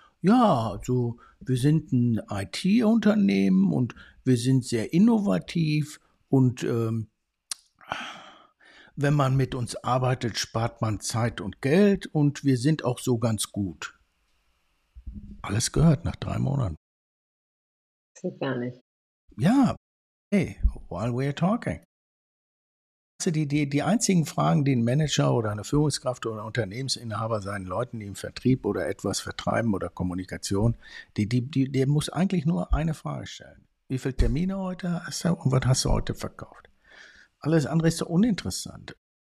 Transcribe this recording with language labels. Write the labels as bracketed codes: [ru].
[de] Ja, also wir sind ein IT-Unternehmen und wir sind sehr innovativ und wenn man mit uns arbeitet, spart man Zeit und Geld und wir sind auch so ganz gut. Alles gehört nach 3 Monaten. Das geht gar nicht. [en] Ja, hey, while we're talking. [de] Die einzigen Fragen, die ein Manager oder eine Führungskraft oder ein Unternehmensinhaber seinen Leuten, die im Vertrieb oder etwas vertreiben oder Kommunikation, der muss eigentlich nur eine Frage stellen. Wie viele Termine heute hast du und was hast du heute verkauft? Alles andere ist so uninteressant.